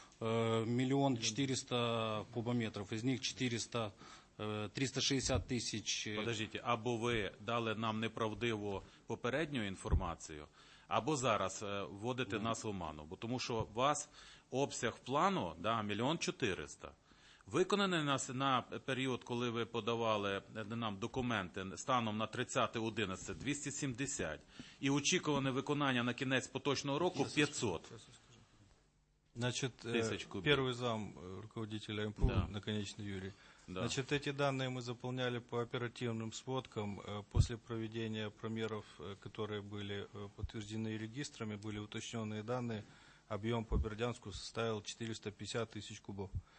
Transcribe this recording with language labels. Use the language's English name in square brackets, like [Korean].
[Russian] 1 400 000 кубометров, из них 360 тысяч... [Ukrainian] Подождите, або ви дали нам неправдиву попередню інформацію, або зараз вводите нас в оману, бо тому що у вас обсяг плану, да, 1 400 000, виконаний нас на період, коли ви подавали нам документи станом на 30.11, 270, і очікуване виконання на кінець поточного року 500. Значить, перший зам руководителя МПУ, да. Наконечний Юрій. Да. [Russian] Значит, эти данные мы заполняли по оперативным сводкам после проведения промеров, которые были подтверждены регистрами, были уточненные данные, объем по Бердянску составил 450 тысяч кубов.